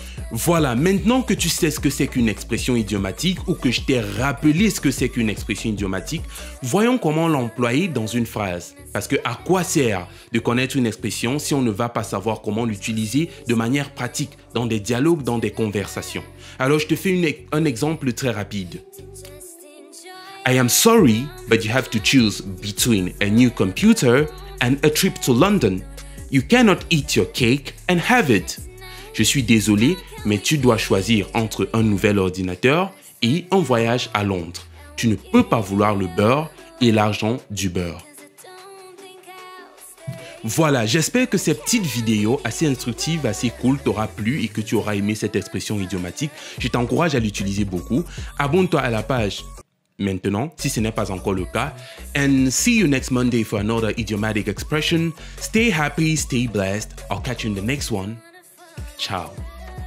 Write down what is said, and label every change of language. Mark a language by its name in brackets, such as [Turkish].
[French] Voilà, maintenant que tu sais ce que c'est qu'une expression idiomatique ou que je t'ai rappelé ce que c'est qu'une expression idiomatique, voyons comment l'employer dans une phrase. Parce que à quoi sert de connaître une expression si on ne va pas savoir comment l'utiliser de manière pratique dans des dialogues, dans des conversations? Alors, je te fais un exemple très rapide. [English] I am sorry, but you have to choose between a new computer and a trip to London. You cannot eat your cake and have it. [French] Je suis désolé, mais tu dois choisir entre un nouvel ordinateur et un voyage à Londres. Tu ne peux pas vouloir le beurre et l'argent du beurre. Voilà, j'espère que cette petite vidéo assez instructive, assez cool t'aura plu et que tu auras aimé cette expression idiomatique. Je t'encourage à l'utiliser beaucoup. Abonne-toi à la page maintenant, si ce n'est pas encore le cas. [English] And see you next Monday for another idiomatic expression. Stay happy, stay blessed. I'll catch you in the next one. Ciao.